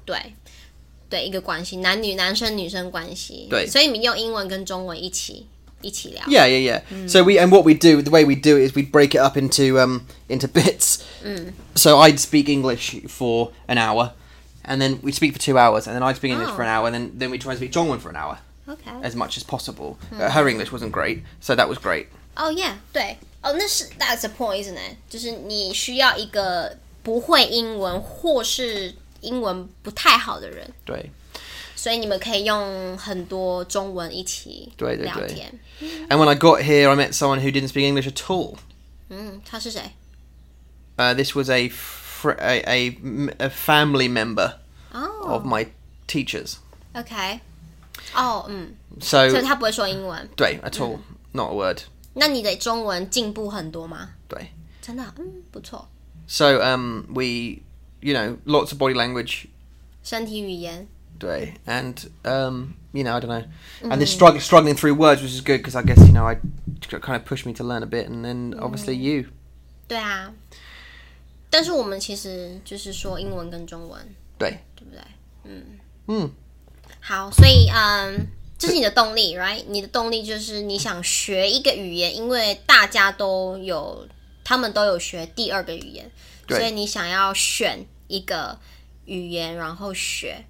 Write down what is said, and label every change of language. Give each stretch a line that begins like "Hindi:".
Chinese: 对，对，一个关系，男生女生关系。对。所以你们用英文跟中文一起聊。
English: Yeah, yeah, yeah.、Mm. So we and what we do, the way we do it is we break it up into bits. Mm. So I'd speak English for an hour, and then we'd speak for 2 hours, and then I'd speak English for an hour, and then we try to speak 中文 for an hour. Okay. As much as possible.、Hmm. Her English wasn't great, so that was great. Oh, yeah,
Chinese: 对。
English: Oh, that's the point, isn't it?
Chinese: 就是你需要一个不会英文或是英文不太好的人。对。所以你们可以用很多中文一起聊天。对对对。
English: And when I got here, I met someone who didn't speak English at all.
Chinese: 他是谁？
English: This was a family member、 oh. of my teachers. Okay. 哦、oh, 嗯，
Chinese: 所以他不会说英文，对
English: ，at all,、嗯、not a word。
Chinese: 那你的中文进步很多吗？对，真的，嗯，不错。
English: So we, you know, lots of body language,
Chinese: 身体语言。对
English: ，and you know, I don't know, and this struggling through words, which is good, because I guess you know, I kind of pushed me to learn a bit, and then obviously you.
Chinese: 对啊，但是我们其实就是说英文跟中文，对，对不对？嗯嗯。好，所以这是你的动力 ，
English: right？
Chinese: 你的动力就是你想学一个语言，因为大家都有，他们都有学第二个语言，所以你想要选一个语言然后学。